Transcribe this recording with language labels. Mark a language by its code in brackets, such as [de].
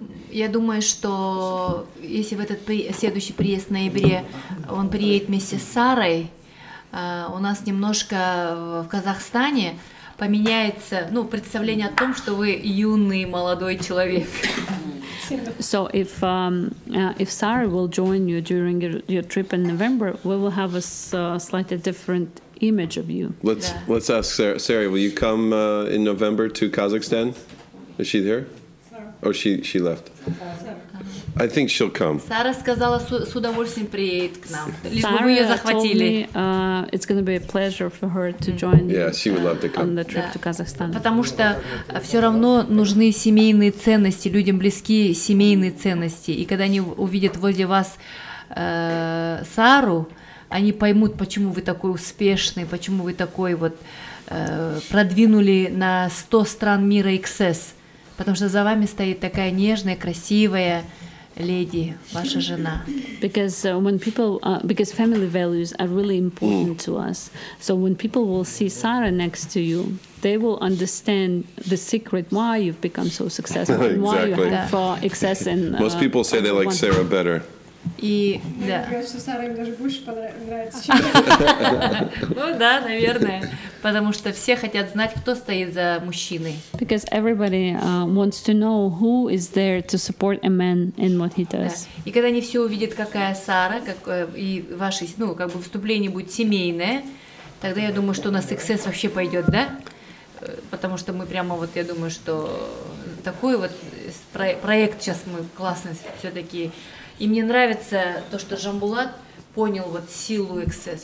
[ru] Я думаю, что если в этот следующий приезд в ноябре он приедет вместе с Сарой, у нас немножко в Казахстане поменяется, ну, представление о том, что вы юный молодой человек. [en] So if Sarah will join you during your trip in November, we will have a slightly different image of you. Let's ask Sarah, will you come in November to Kazakhstan? Is she there? Oh, she left. I think she'll come. [ru] Сара сказала, с удовольствием приедет к нам. Лишь бы мы ее захватили. [en] It's going to be a pleasure for her to join on the trip to Kazakhstan. [ru] Потому что все равно нужны семейные ценности, людям близкие семейные ценности. И когда они увидят возле вас Сару, они поймут, почему вы такой успешный, почему вы такой вот продвинули на 100 стран мира XS. Потому что за вами стоит такая нежная, красивая леди, ваша жена. [en] Because when people, because family values are really important to us. So when people will see Sara next to you, they will understand the secret why you've become so successful and why exactly. You have excess in. Most people say they like Sarah better. [ru] И, да. Мне кажется, что Саре даже больше понравится, чем... Ну да, наверное. Потому что все хотят знать, кто стоит за мужчиной. [en] Because everybody wants to know who is there to support a man in what he does. [ru] Да. И когда они все увидят, какая Сара, как, и ваше, ну, как бы вступление будет семейное, тогда я думаю, что у нас XS вообще пойдет, да? Потому что мы прямо вот, я думаю, что такой вот проект сейчас мы классный все-таки. И мне нравится то, что Жамбулат понял вот силу XS.